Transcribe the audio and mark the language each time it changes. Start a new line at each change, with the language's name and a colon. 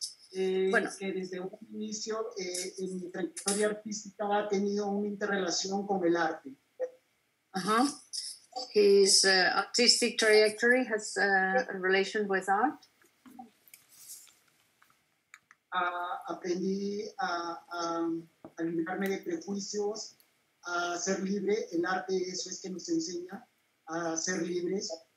Spanish: Que desde un inicio mi trayectoria artística ha tenido una interrelación con el arte.
English: His artistic trajectory has a relation with art.
Spanish: Aprendí a liberarme de prejuicios, a ser libre. El arte, eso es que nos enseña a ser libres.